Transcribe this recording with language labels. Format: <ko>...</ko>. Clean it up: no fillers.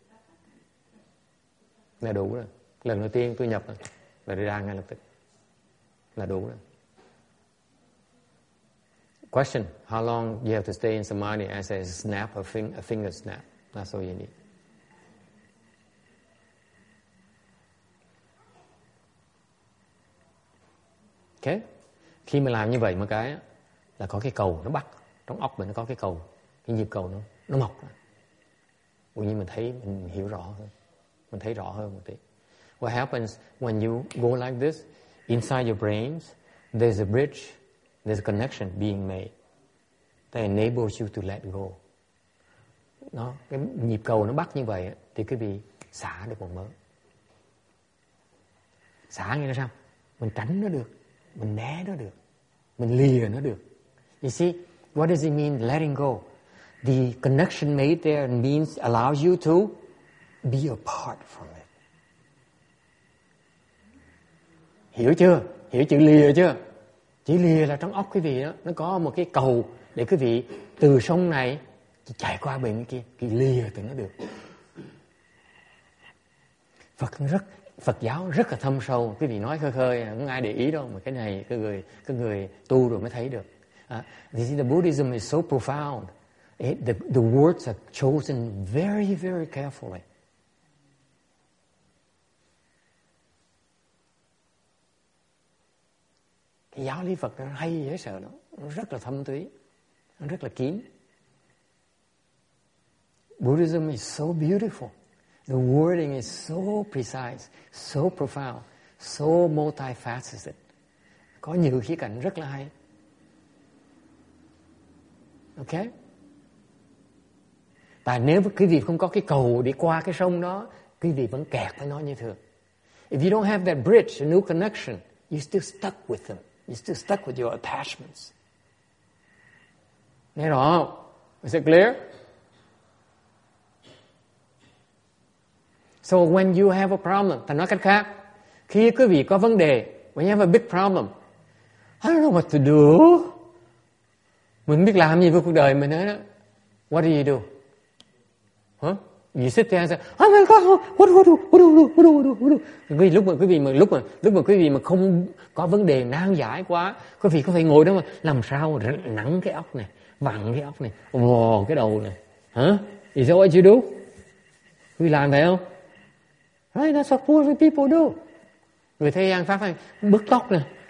<vi>Yeah. Là đủ rồi. Lần đầu tiên tôi nhập là đi ra ngay lập tức. Là đủ rồi.</vi> <en>Question: how long do you have to stay in samadhi as a snap of a finger snap? That's all you need. Okay.</en> <vi>Khi mà làm như vậy một cái là có cái cầu nó bắt. Trong óc mình nó có cái cầu, cái nhịp cầu nó mọc. Tự nhiên mình thấy, mình hiểu rõ hơn. Mình thấy rõ hơn một tí.</vi> <en>What happens when you go like this, inside your brains, there's a bridge, there's a connection being made that enables you to let go.</en> <vi>Nó, cái nhịp cầu nó bắt như vậy thì cứ bị xả được một mớ. Xả nghĩa là sao? Mình tránh nó được. Mình né nó được. Mình lìa nó được.</vi> <en>You see, what does it mean letting go? The connection made there means allows you to be apart from it.</en> <vi>Hiểu chưa? Hiểu chữ lìa chưa? Chữ lìa là trong óc quý vị đó, nó có một cái cầu để quý vị từ sông này chạy qua bên kia, thì lìa từ nó được. Phật giáo rất là thâm sâu, quý vị nói khơi khơi, không ai để ý đâu, mà cái này cái người tu rồi mới thấy được.</vi> <en>You see, the Buddhism is so profound. The words are chosen very, very carefully.</en> <vi>Cái giáo lý Phật nó hay dễ sợ lắm. Nó rất là thâm túy. Nó rất là kín.</vi> <en>Buddhism is so beautiful. The wording is so precise, so profound, so multifaceted.</en> <vi>Có nhiều khía cạnh rất là hay.</vi> <en>Okay.</en> <vi>Tại nếu quý vị không có cái cầu để qua cái sông đó, quý vị vẫn kẹt với nó như thường.</vi> <en>If you don't have that bridge, a new connection, you're still stuck with them. You're still stuck with your attachments.</en> <vi>Nghe rõ không?</vi> <en>Is it clear? So when you have a problem,</en> <vi>ta nói cách khác, khi quý vị có vấn đề,</vi> <en>when you have a big problem, I don't know what to do.</en> <vi>Mình biết làm gì với cuộc đời mình hết đó.</vi> <en>What do you do? Huh? You sit there and say, oh my God, what do?</en> <vi>Lúc mà quý vị mà không có vấn đề nan giải quá, quý vị có phải ngồi đó mà làm sao nắng cái óc này, vặn cái óc này, vò cái đầu này.</vi> <en>Huh? Is that what you do?</en> <vi>Quý vị làm vậy không?</vi> <en>Right, that's what poor people do.</en> <vi>Người thế gian phát ra bứt tóc này,</vi>